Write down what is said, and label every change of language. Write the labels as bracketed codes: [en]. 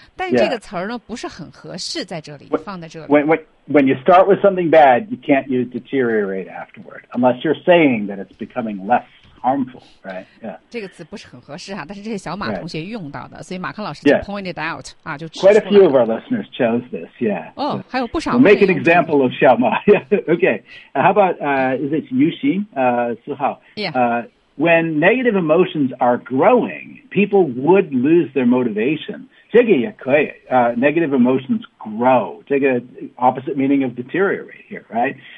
[zh] 但这个词儿呢，不是很合适在这里放在这里。 [en] When you start with something bad, you can't use deteriorate afterward, unless you're saying that it's becoming less. Harmful, right? Yeah. [zh] 这个词不是很合适哈，但是这些小马同学用到的， right. 所以马康老师就 [en] pointed out、 yeah. [zh] 啊，就指出 [en] 了。Quite a few of our listeners chose this, yeah. [zh] 哦、oh, ，还有不少。 [en] We'll make an example of 小马 yeah. Okay. How about is it Yuxing? Suhao. Yeah. When negative emotions are growing, people would lose their motivation. [zh] 这个也可以。 [en] Negative emotions grow. [zh] 这个 [en] opposite meaning of deteriorate here, right?